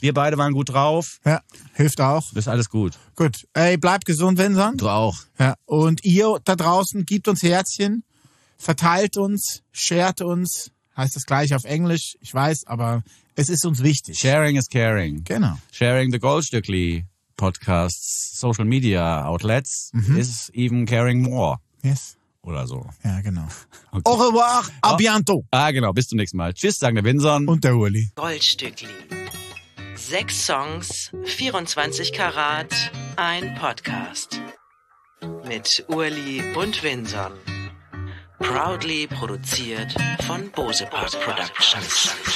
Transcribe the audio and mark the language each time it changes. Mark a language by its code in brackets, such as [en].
[de] Wir beide waren gut drauf. Ja, hilft auch. Ist alles gut. Gut. Ey, bleibt gesund, Vincent. Du auch. Ja. Und ihr da draußen, gebt uns Herzchen, verteilt uns, shared uns. Heißt das gleich auf Englisch, ich weiß, aber es ist uns wichtig. [en] Sharing is caring. [de] Genau. [en] Sharing the Goldstückli. Podcasts, Social Media Outlets, is even caring more. Yes. [de] Oder so. Ja, genau. Okay. [fr] Au revoir, a bientôt. [de] Ah, genau, bis zum nächsten Mal. Tschüss, sagen der Vinson. Und der Uli. Goldstückli. 6 Songs, 24 Karat, ein Podcast. Mit Uli und Vinson. Proudly produziert von Bose Park Productions.